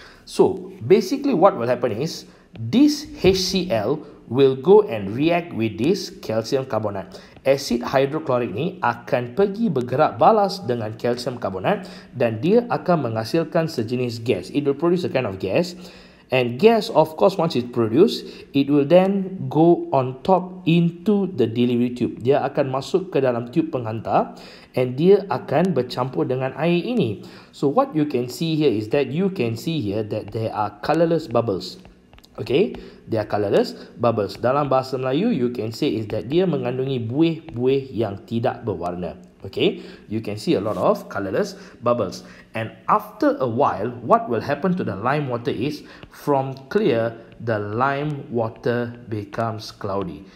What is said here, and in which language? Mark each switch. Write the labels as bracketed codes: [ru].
[en] So, basically what will happen is, this HCl will go and react with this calcium carbonate. [ms] Acid hydrochloric ni akan pergi bergerak balas dengan calcium carbonate, dan dia akan menghasilkan sejenis gas. [en] It will produce a kind of gas. And gas, of course, once it's produced, it will then go on top into the delivery tube. [ms] Dia akan masuk ke dalam [en] tube [ms] penghantar, and dia akan bercampur dengan air ini. [en] So what you can see here is that you can see here that there are colorless bubbles. Okay, they are colorless bubbles. [ms] Dalam bahasa Melayu, [en] you can say is that [ms] dia mengandungi buih-buih yang tidak berwarna. [en] Okay, you can see a lot of colorless bubbles. And after a while, what will happen to the lime water is, from clear, the lime water becomes cloudy.